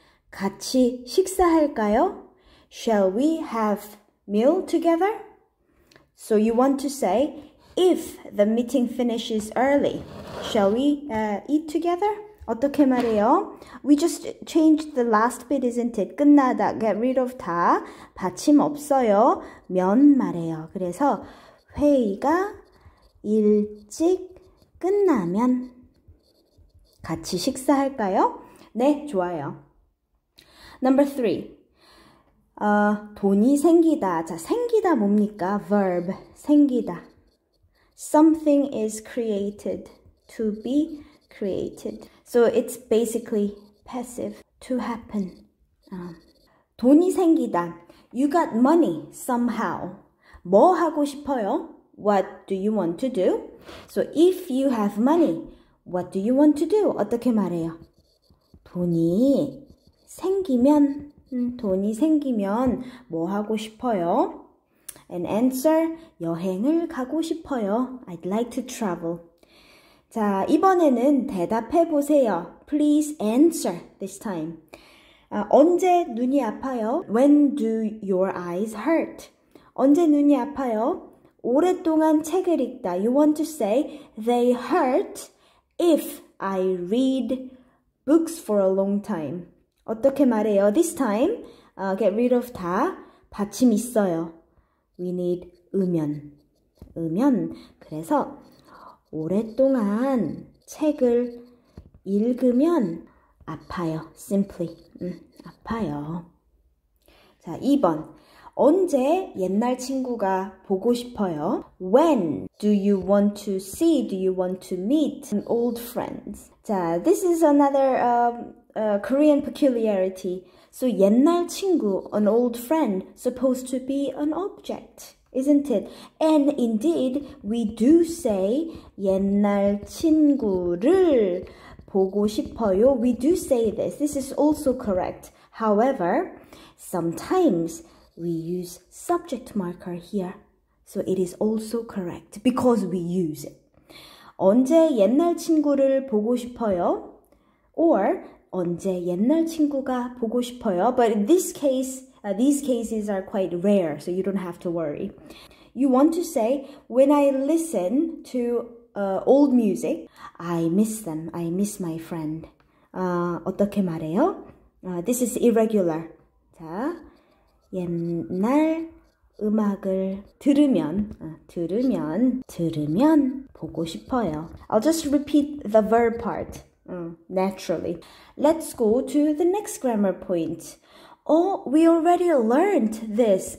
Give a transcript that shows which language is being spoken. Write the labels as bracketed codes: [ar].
[ko] 같이 식사할까요? [en] Shall we have meal together? So you want to say, if the meeting finishes early, shall we eat together? [ko] 어떻게 말해요? [en] We just changed the last bit, isn't it? [ko] 끝나다, [en] get rid of [ko] 다, 받침 없어요, 면 말해요. 그래서 회의가 일찍 끝나면 같이 식사할까요? 네, 좋아요. [en] Number three, [ko] 돈이 생기다. 자, 생기다 뭡니까? [en] Verb, 생기다. Something is created, to be created. So it's basically passive, to happen. [ko] 돈이 생기다. [en] You got money somehow. [ko] 뭐 하고 싶어요? [en] What do you want to do? So if you have money, what do you want to do? [ko] 어떻게 말해요? 돈이 생기면, 돈이 생기면 뭐 하고 싶어요? [en] An answer, [ko] 여행을 가고 싶어요. [en] I'd like to travel. [ko] 자, 이번에는 대답해 보세요. [en] Please answer this time. [ko] 언제 눈이 아파요? [en] When do your eyes hurt? [ko] 언제 눈이 아파요? 오랫동안 책을 읽다. [en] You want to say, they hurt if I read books for a long time. [ko] 어떻게 말해요? [en] This time, get rid of 다. [ko] 받침 있어요. [en] We need [ko] 음연. 음연. 그래서 오랫동안 책을 읽으면 아파요. [en] Simply. [ko] 아파요. 자, 2번. 언제 옛날 친구가 보고 싶어요? [en] When do you want to see, do you want to meet an old friends? 자, this is another Korean peculiarity. So 옛날 친구, an old friend, supposed to be an object, isn't it? And indeed, we do say [ko] 옛날 친구를 보고 싶어요. [en] We do say this. This is also correct. However, sometimes we use subject marker here. So it is also correct because we use it. [ko] 언제 옛날 친구를 보고 싶어요? [en] Or [ko] 언제 옛날 친구가 보고 싶어요? [en] But in this case, these cases are quite rare, so you don't have to worry. You want to say, when I listen to old music, I miss them, I miss my friend. [ko] 어떻게 말해요? [en] This is irregular. 자, [ko] 옛날 음악을 들으면 보고 싶어요. [en] I'll just repeat the verb part naturally. Let's go to the next grammar point. Oh, we already learned this.